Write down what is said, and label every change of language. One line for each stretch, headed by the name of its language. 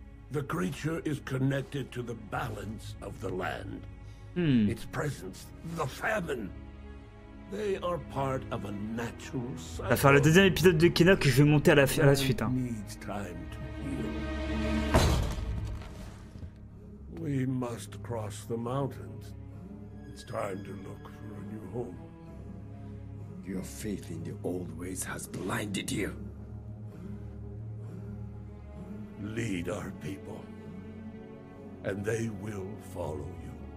English: The creature is connected to the balance of the land. Hmm. Its presence, the famine. They are part of a natural cycle.
French: Va faire le deuxième épisode de Kena que je vais monter à la suite.
English: Hein. Needs time to heal. We must cross the mountains. It's time to look for a new home. Your faith in the old ways has blinded you. Lead our people, and they will follow you.